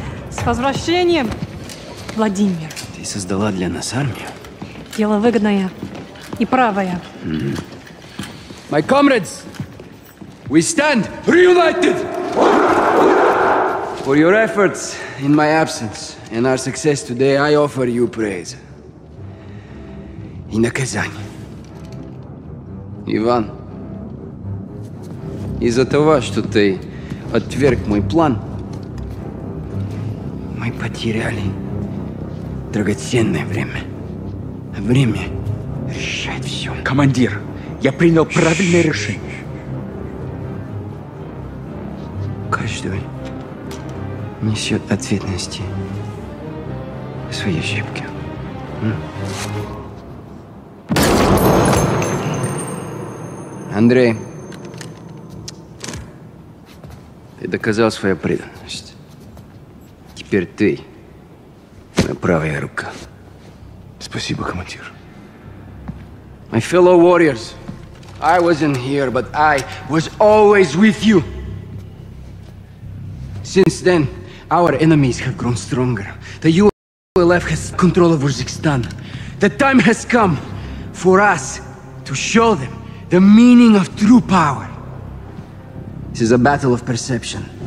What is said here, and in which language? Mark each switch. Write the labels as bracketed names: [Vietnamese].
[Russian] С возвращением, Владимир! Ты создала для нас армию? Дело выгодное. И правая. [English] My comrades, we stand reunited for your efforts in my absence and our success today. I offer you praise. [Russian] И наказание. Иван, из-за того, что ты отверг мой план, мы потеряли драгоценное время. Время. Решать все. Командир, я принял правильное решение. Каждый несет ответственности свои ошибки. Андрей, ты доказал свою преданность. Теперь ты моя правая рука. Спасибо, командир. [English] My fellow warriors, I wasn't here, but I was always with you. Since then, our enemies have grown stronger. The ULF has control over Uzbekistan. The time has come for us to show them the meaning of true power. This is a battle of perception,